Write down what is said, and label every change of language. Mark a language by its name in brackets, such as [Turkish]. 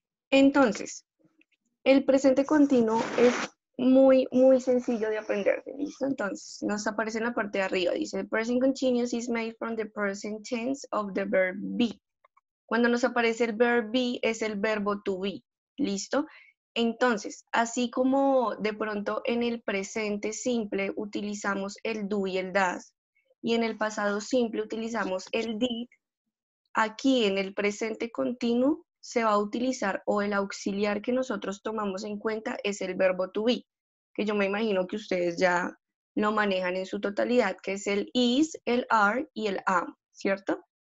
[Spanish] Entonces, el presente continuo es muy, muy sencillo de aprender, ¿listo? Entonces, nos aparece en la parte de arriba. [English] Dice, the present continuous is made from the present tense of the verb be. [Spanish] Cuando nos aparece el verb be, es el verbo to be, ¿listo? Entonces, así como de pronto en el presente simple utilizamos el do y el does, y en el pasado simple utilizamos el did, aquí en el presente continuo se va a utilizar o el auxiliar que nosotros tomamos en cuenta es el verbo to be, que yo me imagino que ustedes ya lo manejan en su totalidad, que es el is, el are y el am, ¿cierto?